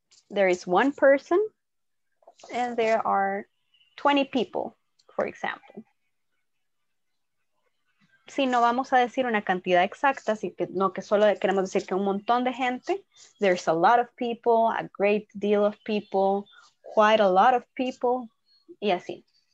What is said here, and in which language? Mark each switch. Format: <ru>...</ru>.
<en>There is one person and there are 20 people, for example.</en> <es>así no vamos a decir una cantidad exacta, así que no, que solo queremos decir que un montón de gente.</es> <en>There's a lot of people, a great deal of people, quite a lot of people,</en> <es>y así.</es>